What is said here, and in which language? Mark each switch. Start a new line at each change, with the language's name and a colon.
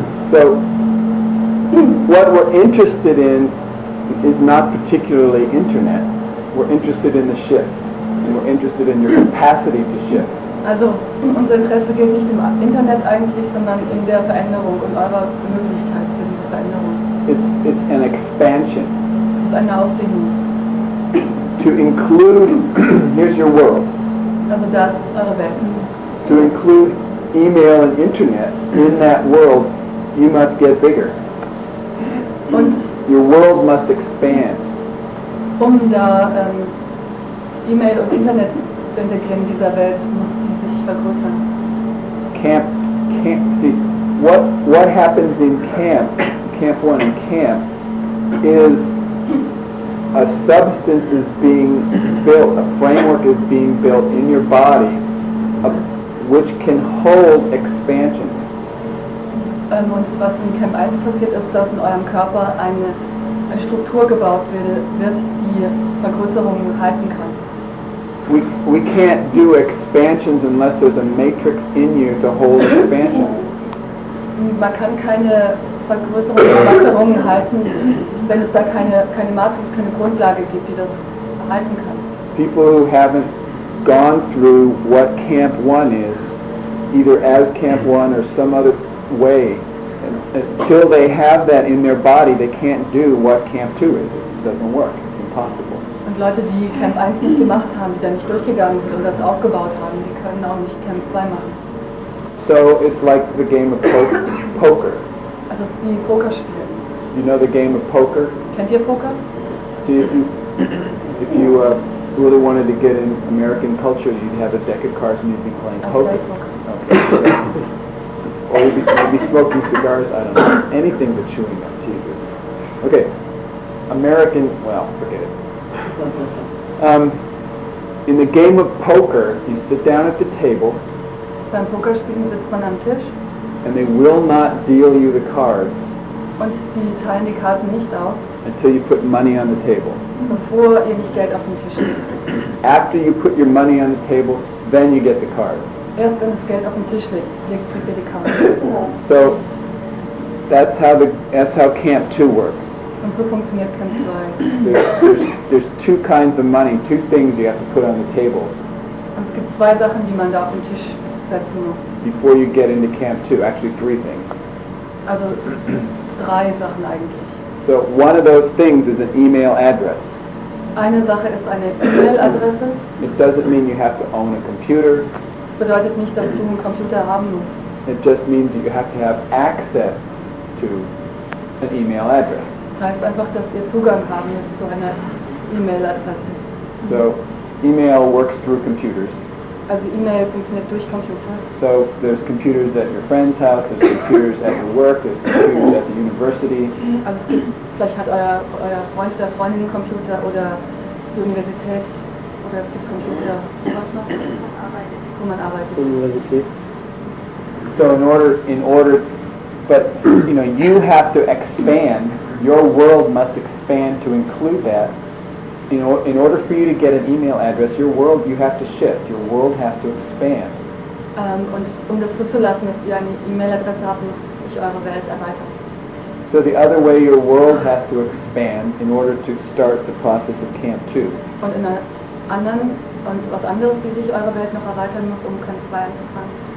English: So, what we're interested in is not particularly internet. We're interested in the shift, and we're interested in your capacity to shift.
German: Also, unser Interesse geht nicht im Internet eigentlich, sondern in der Veränderung und eurer Möglichkeit für diese Veränderung.
English: It's an expansion.
German: Es ist eine Ausdehnung.
English: To include, here's your world.
German: Also das eure Welt.
English: To include email and internet in that world, you must get bigger.
German: Und
English: your world must expand.
German: Um da E-Mail und Internet zu integrieren in dieser Welt, muss die sich vergrößern.
English: Camp, see, what happens in camp, camp one and camp, is a substance is being built, a framework is being built in your body, which can hold expansions.
German: Und was in Camp 1 passiert ist, dass in eurem Körper eine Struktur gebaut wird, die Vergrößerungen halten kann.
English: We can't do expansions unless there's a matrix in you to hold expansions.
German: Man kann keine Vergrößerungen halten, wenn es da keine Matrix, keine Grundlage gibt, die das halten kann.
English: People who haven't gone through what Camp 1 is, either as Camp 1 or some other way, until they have that in their body, they can't do what Camp 2 is. It doesn't work. It's impossible.
German: Und Leute, die Camp 1 nicht gemacht haben, die da nicht durchgegangen sind und das aufgebaut haben, die können auch nicht Camp 2 machen.
English: So it's like the game of poker.
German: Also es ist wie Pokerspielen.
English: You know the game of poker?
German: Kennt ihr Poker?
English: See, if you really wanted to get in American culture, you'd have a deck of cards and you'd be playing poker. Okay. Or you'd be smoking cigars, I don't know. Anything but chewing gum, Jesus. Okay. American, well, forget it. In the game of poker, you sit down at the table.
German: Beim Pokerspielen sitzt man am Tisch.
English: And they will not deal you the cards.
German: Und die teilen die Karten nicht aus.
English: Until you put money on the table.
German: Bevor ihr nicht Geld auf den Tisch legt.
English: After you put your money on the table, then you get the cards.
German: Erst wenn das Geld auf den Tisch legt, kriegt ihr die Karten.
English: So, That's how Camp 2 works.
German: Und so funktioniert Camp 2.
English: There's two kinds of money, two things you have to put on the table.
German: Und es gibt zwei Sachen, die man da auf den Tisch setzen muss.
English: Before you get into Camp 2, actually three things.
German: Also drei Sachen eigentlich.
English: So one of those things is an email address.
German: Eine Sache ist eine E-Mail-Adresse.
English: It doesn't mean you have to own a computer.
German: Das bedeutet nicht, dass du einen Computer haben musst.
English: It just means you have to have access to an email address.
German: Das heißt einfach, dass ihr Zugang haben müsst zu einer E-Mail-Adresse.
English: So, email works through computers.
German: Also E-Mail funktioniert durch Computer.
English: So, there's computers at your friend's house, there's computers at your work, there's computers at the university.
German: Also es gibt, vielleicht hat euer Freund oder Freundin einen Computer oder die Universität, oder es gibt Computer, was noch? Wo man arbeitet. Die Universität.
English: So in order, but you know, you have to expand, your world must expand to include that. In order for you to get an email address, your world, you have to shift, your world has to expand.
German: Um das zuzulassen, dass ihr eine E-Mail-Adresse habt, muss ich eure Welt erweitern.
English: So the other way your world has to expand in order to start the process of Camp 2.
German: Und in anderen, und was anderes, wie sich eure Welt noch erweitern muss, um Camp 2 anzufangen.